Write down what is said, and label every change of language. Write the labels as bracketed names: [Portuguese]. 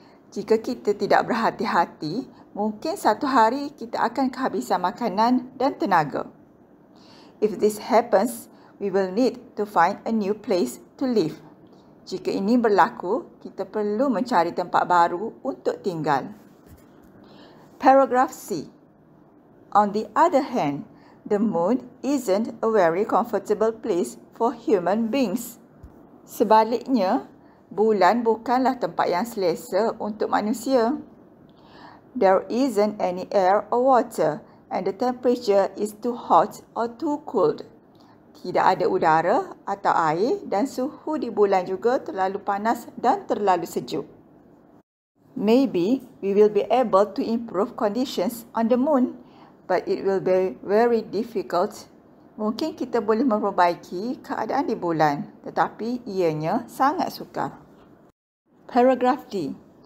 [Malay] Jika kita tidak berhati-hati, mungkin satu hari kita akan kehabisan makanan dan tenaga. [English] If this happens, we will need to find a new place to live. [Malay] Jika ini berlaku, kita perlu mencari tempat baru untuk tinggal. [English] Paragraph C. On the other hand, the moon isn't a very comfortable place for human beings. [Malay] Sebaliknya, bulan bukanlah tempat yang selesa untuk manusia. [English] There isn't any air or water, and the temperature is too hot or too cold. [Malay] Tidak ada udara atau air dan suhu di bulan juga terlalu panas dan terlalu sejuk. [English] Maybe we will be able to improve conditions on the moon, but it will be very difficult. [Malay] Mungkin kita boleh memperbaiki keadaan di bulan, tetapi ianya sangat sukar. [English] Paragraph D.